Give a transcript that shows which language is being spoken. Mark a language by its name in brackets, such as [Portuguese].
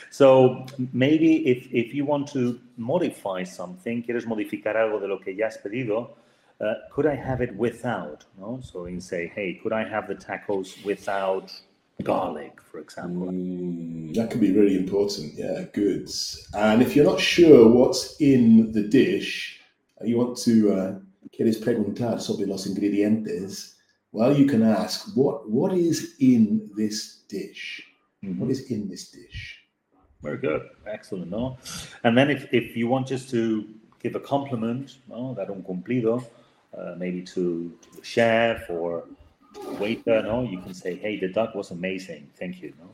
[English] So maybe if you want to modify something, [Spanish] quieres modificar algo de lo que ya has pedido, [English] could I have it without? No? So you can say, hey, could I have the tacos without garlic, for example? That can be really important, yeah, good. And if you're not sure what's in the dish, you want to... [Spanish] ¿Quieres preguntar sobre los ingredientes? [English] Well, you can ask, what is in this dish? Mm-hmm. What is in this dish? Very good. Excellent, no? And then if you want just to give a compliment, no, [Spanish] dar un cumplido, [English] maybe to the chef or waiter, no, you can say, hey, the duck was amazing. Thank you, no?